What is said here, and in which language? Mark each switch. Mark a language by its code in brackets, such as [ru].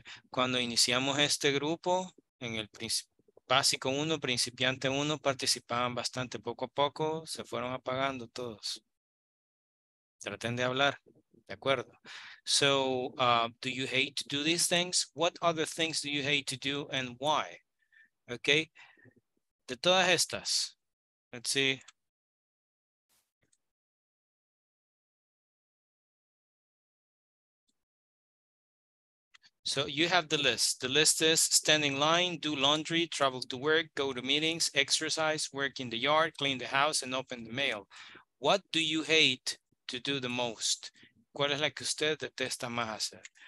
[es] Cuando iniciamos este grupo, en el básico 1, principiante 1, participaban bastante poco a poco, se fueron apagando todos. Traten de hablar, de acuerdo. [en] So, do you hate to do these things? What other things do you hate to do and why? [es] Okay, de todas estas, [en] let's see. So you have the list. The list is stand in line, do laundry, travel to work, go to meetings, exercise, work in the yard, clean the house, and open the mail. What do you hate to do the most? [es] ¿Cuál es la que usted detesta más hacer?